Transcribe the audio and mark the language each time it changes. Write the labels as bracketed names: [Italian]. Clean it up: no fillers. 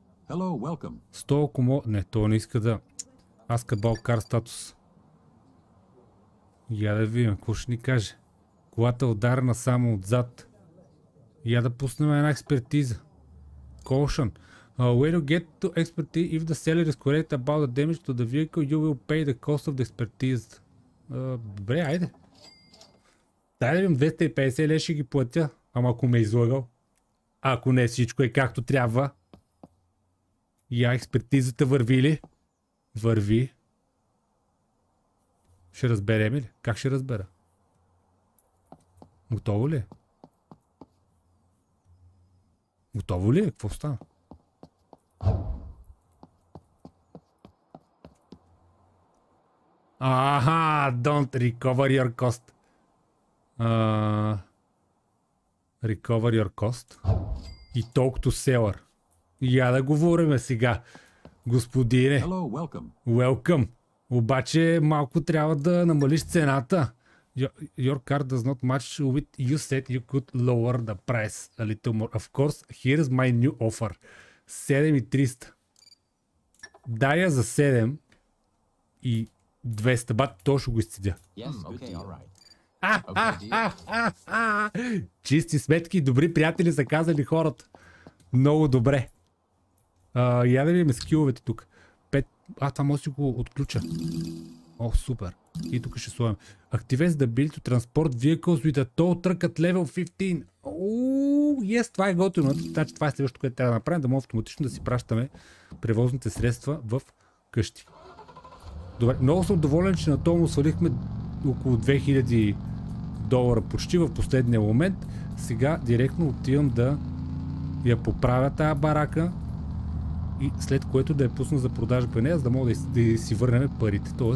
[English] Hello, welcome. [Bulgarian] 100 ако мога... Не, той не иска да... Аз кабал кар статус. Я да видим, какво ще ни каже. Колата е ударена само отзад. Я да пуснем една експертиза. Caution. [English] When you get to expertise, if the seller is correct about the damage to the vehicle, you will pay the cost of the expertise. [Bulgarian] Добре, айде. Дай да видим 250 лева ще ги платя. Ама ако ме излагал. Ако не всичко е както трябва. Я експертизата върви ли? Върви. Ще разберем ли? Как ще разбера? Готово ли е? Готово ли е? Какво стана? [English] Аха, don't recover your cost. Recover your cost [Bulgarian] и [English] talk to seller. [Bulgarian] Я да говорим сега, господине. [English] Hello, welcome. Welcome. [Bulgarian] Обаче малко трябва да намалиш цената. [English] Your car does not match with you said you could lower the price a little more. Of course, here is my new offer. 7300. [Bulgarian] Дая за 7200, бат точно го изцедя. [English] Yes, okay, all right. [Bulgarian] Чисти сметки, добри приятели са казали хората. Много добре. Я да видим скиловете тук. Това може си го отключа. О, супер. И тук ще слоем. [English] Activate the ability to transport vehicles with a tow truck at level 15. [Bulgarian] Yes, това е готово. Значи това е следващото, което трябва да направим, да може автоматично да си пращаме превозните средства в къщи. Добре, много съм доволен, че на тоа му свалихме около 2000 долара почти в последния момент. Сега директно отивам да я поправя тая барака и след което да я пусна за продажба нея, за да мога да си върнем парите. Т.е.